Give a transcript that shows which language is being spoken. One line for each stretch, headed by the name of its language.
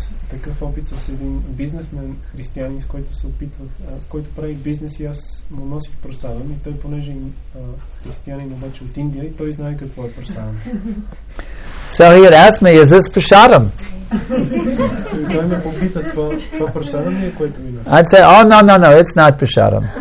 Bulgarian: Такъв опит с един бизнесмен християнин, с който се опитвах, с който прави бизнес и аз му носих прасадам и той, понеже християнин обаче от Индия, и той знае какво е прасадам.
English: So he had asked me, is this prasadam?
Bulgarian: Той ме попита, това прасадам ли е, което ми носи?
English: I'd say, oh, no, it's not prasadam.